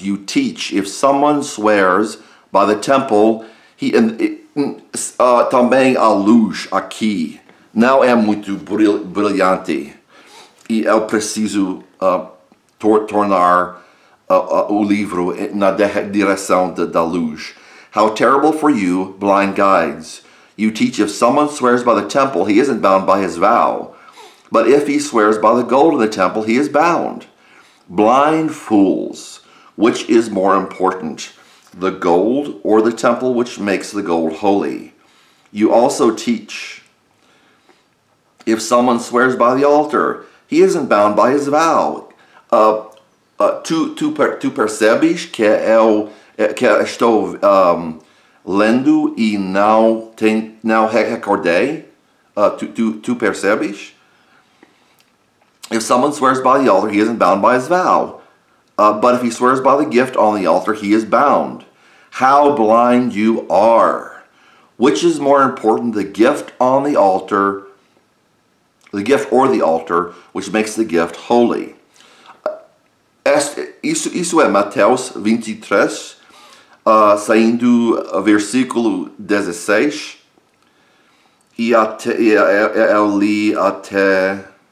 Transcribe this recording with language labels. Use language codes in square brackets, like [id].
[en] You teach, if someone swears by the temple, he [pt] também a luz aqui não é muito brilhante. E eu preciso tornar o livro na direção da luz. [en] How terrible for you, blind guides! You teach, if someone swears by the temple, he isn't bound by his vow. But if he swears by the gold of the temple, he is bound. Blind fools, which is more important, the gold or the temple which makes the gold holy? You also teach, if someone swears by the altar, he isn't bound by his vow. [pt] Tu percebes que estou lendo e não recordei? Tu percebes? [en] If someone swears by the altar, he isn't bound by his vow. But if he swears by the gift on the altar, he is bound. How blind you are! Which is more important, the gift on the altar, the gift or the altar, which makes the gift holy? [pt] Isso é Mateus 23, saindo versículo 16, e até, eu li até...